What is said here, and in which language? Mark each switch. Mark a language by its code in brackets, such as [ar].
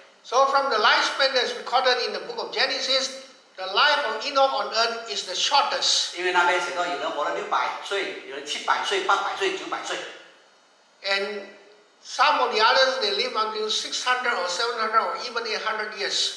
[en] So from the lifespan that is recorded in the book of Genesis, the life of Enoch on earth is the shortest. [zh] 因为那边写到有人活了600岁，有人700岁，800岁，900岁。 [en] And some of the others, they live until 600 or 700 or even 800 years.